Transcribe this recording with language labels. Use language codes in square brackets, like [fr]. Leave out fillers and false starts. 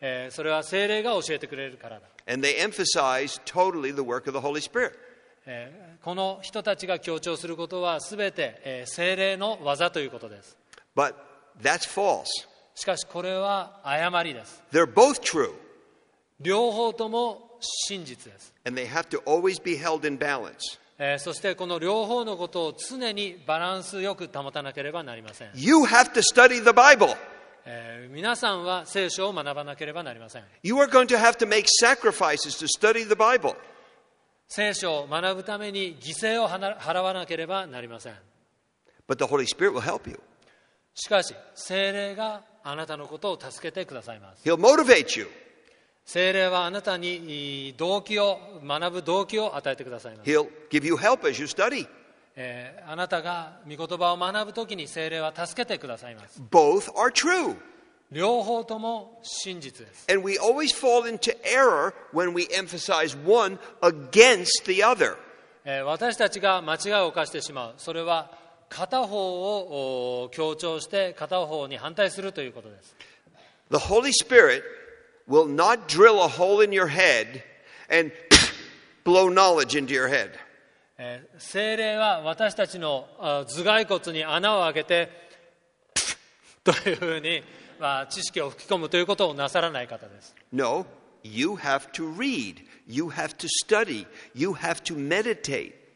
[ja] それは聖霊が教えてくれるからだ。 [en] And they emphasize totally the work of the Holy Spirit. [ja] この人たちが強調することはすべて聖霊の技ということです。 [en] But that's false. [ja] しかしこれは誤りです。 [en] They're both true. [ja] 両方とも真実です。 [en] And they have to always be held in balance. [ja] そしてこの両方のことを常にバランスよく保たなければなりません。 [en] You have to study the Bible. [ja] 皆さんは聖書を学ばなければなりません。 [en] You are going to have to make sacrifices to study the Bible. [ja] 聖書を学ぶために犠牲を払わなければなりません。 [en] But the Holy Spirit will help you. [ja] しかし、聖霊があなたのことを助けてくださいます。 [en] He'll motivate you. [ja] 聖霊はあなたに動機を、学ぶ動機を与えてくださいます。 [en] He'll give you help as you study. [ja] あなたが御言葉を学ぶときに聖霊は助けてくださいます。 [en] Both are true. [ja] 両方とも真実です。 [en] And we always fall into error when we emphasize one against the other. [ja] 私たちが間違いを犯してしまう。それは片方を強調して片方に反対するということです。 [en] The Holy Spirit will not drill a hole in your head and blow knowledge into your head. [ja] 聖霊は私たちの頭蓋骨に穴を開けてというふうに、まあ、知識を吹き込むということをなさらない方です。 [en] No, you have to read, you have to study, you have to meditate.